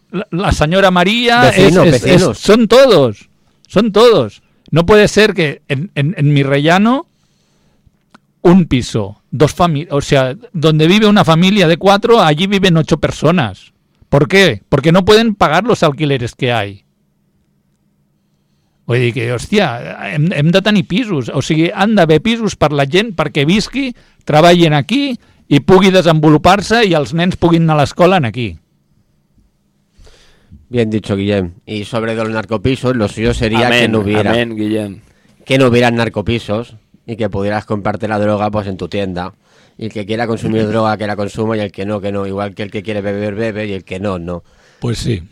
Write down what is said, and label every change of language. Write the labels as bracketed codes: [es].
[es] La señora María, son todos. No puede ser que en mi rellano un piso, dos familias, o sea, donde vive una familia de cuatro, allí viven ocho personas. ¿Por qué? Porque no pueden pagar los alquileres que hay. Oye, que hostia, [ca] hem de tenir pisos. O sigui, han d'haver pisos per la gent perquè visqui, treballin aquí i pugui desenvolupar-se i els nens puguin anar a l'escola aquí. [es] Bien dicho, Guillem. Y sobre los narcopisos, lo suyo sería que no hubiera narcopisos y que pudieras comprarte la droga pues en tu tienda. Y el que quiera consumir droga, que la consuma, y el que no, que no. Igual que el que quiere beber, bebe, y el que no, no. Pues sí.